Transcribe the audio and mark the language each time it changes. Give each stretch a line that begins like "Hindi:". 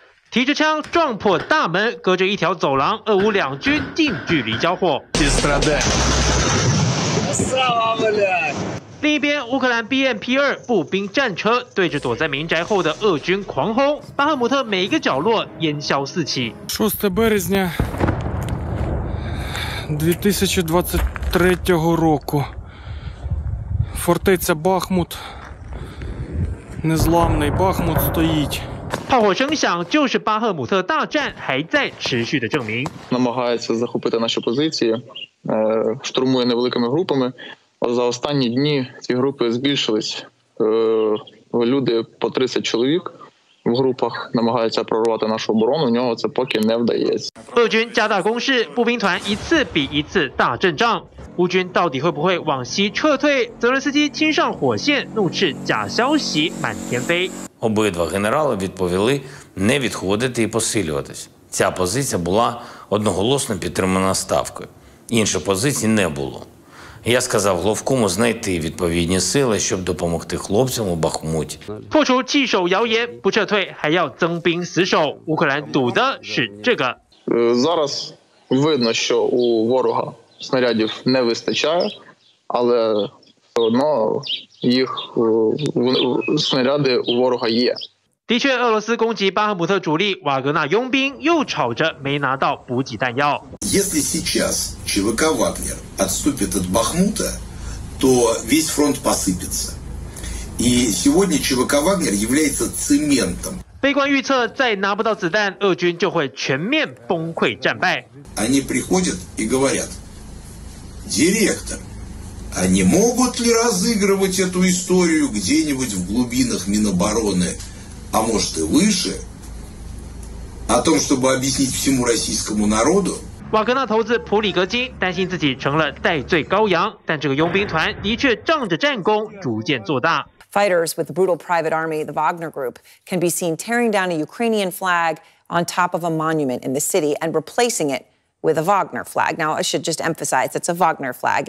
Chinese: 提着枪撞破大门，隔着一条走廊，俄乌两军近距离交火。另一边，乌克兰 BMP-2 步兵战车对着躲在民宅后的俄军狂轰，巴赫姆特每一个角落烟硝四起。
Ukrainian: 2023 року фортеця Бахмут незламний Бахмут стоїть
Chinese: 炮火声响就是巴赫姆特大战还在持续的证明
Ukrainian: намагається захопити наші позиції штурмує невеликими групами за останні дні ці групи збільшились люди по 30 чоловікВ групах намагаються прорвати нашу оборону, у нього це поки не вдається.
Chinese: 俄军加大攻势，步兵团一次比一次大阵仗。乌军到底会不会往西撤退？泽伦斯基亲上火线，怒斥假消息满天飞。
Ukrainian: Обидва генерали відповіли не відходити і посилюватись. Ця позиція була одноголосно підтримана ставкою. Інших позицій не було. Я сказав головкому знайти відповідні сили, щоб допомогти хлопцям у Бахмуті.
Chinese: 破除弃守谣言，不撤退，还要增兵死守。乌克兰赌的是这个。
Ukrainian: Зараз видно, що у ворога снарядів не вистачає, але все одно їх снаряди у ворога є.
Chinese: 的确，俄罗斯攻击巴赫姆特主力瓦格纳佣兵，又吵着没拿到补给弹药。
Russian: Если сейчас ЧВК Вагнер отступит от Бахмута, то весь фронт посыпется. И сегодня ЧВК Вагнер является цементом.
Chinese: 悲观预测, 再拿不到子弹, 俄军就会全面崩溃战败.
Russian: Они приходят и говорят: директор, а не могут ли разыгрывать эту историю где-нибудь в глубинах Минобороны, а может и выше, о том, чтобы объяснить всему российскому народу?
Chinese: 瓦格纳投资普里格金担心自己成了戴罪羔羊，但这个佣兵团的确仗着战功逐渐做大。
English: Fighters with the brutal private army, the Wagner Group, can be seen tearing down a Ukrainian flag on top of a monument in the city and replacing it with a Wagner flag. Now, I should just emphasize, it's a Wagner flag.